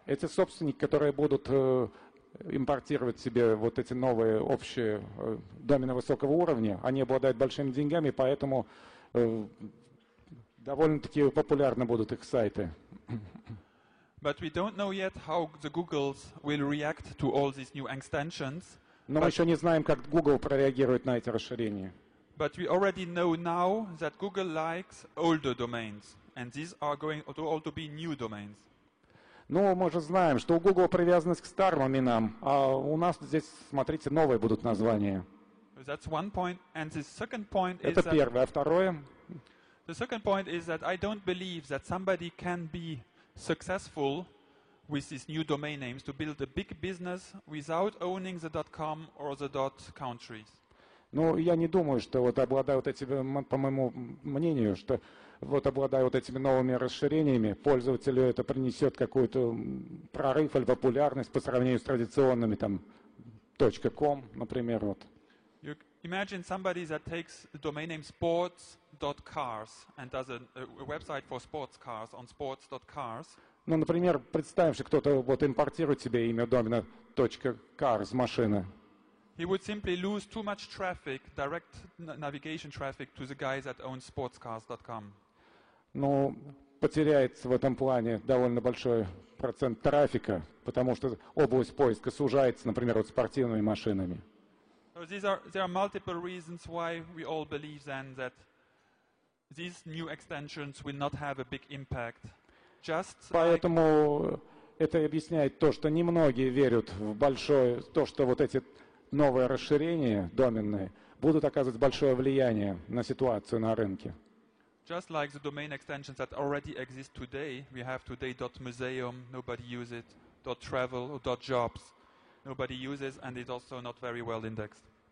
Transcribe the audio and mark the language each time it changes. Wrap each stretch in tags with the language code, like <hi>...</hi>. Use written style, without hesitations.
<ru>Эти собственники, которые будут импортировать себе вот эти новые общие домены высокого уровня. Они обладают большими деньгами, поэтому довольно-таки популярны будут их сайты.</ru> <en>But we don't know yet how the Googles will react to all these new extensions.</en> <ru>Но мы еще не знаем, как Google прореагирует на эти расширения.</ru> <en>But we already know now that Google likes older domains, and these are going to all to be new domains.</en> <ru>Ну, мы же знаем, что у Google привязанность к старым именам, а у нас здесь, смотрите, новые будут названия.</ru> <en>That's one point. And the second point is</en> <ru>это первое. А второе?</ru> <en>The second point is that I don't believe that somebody can be successful with these new domain names to build a big business without owning the .com or the .countries.</en> <ru>Ну, я не думаю, что вот обладаю вот этими, по моему мнению, что вот обладая вот этими новыми расширениями, пользователю это принесет какой-то прорыв или популярность по сравнению с традиционными там .com, например, вот.</ru> <en>You imagine somebody that takes the domain name sports.cars and does a website for sports cars on sports.cars.</en> <ru>Ну, например, представим, что кто-то вот импортирует себе имя домена .cars, машина.</ru> <en>He would simply lose too much traffic, direct navigation traffic to the guy that owns sportscars.com.</en> <ru>Ну, потеряется в этом плане довольно большой процент трафика, потому что область поиска сужается, например, вот спортивными машинами.</ru> <en>So there are multiple reasons why we all believe then that these new extensions will not have a big impact. Just</en> <ru>поэтому это объясняет то, что немногие верят в большое, то, что вот эти новые расширения доменные будут оказывать большое влияние на ситуацию на рынке.</ru> <en>Just like the domain extensions that already exist today, we have today .museum, nobody uses it, .travel, or .jobs, nobody uses, and it's also not very well indexed.</en>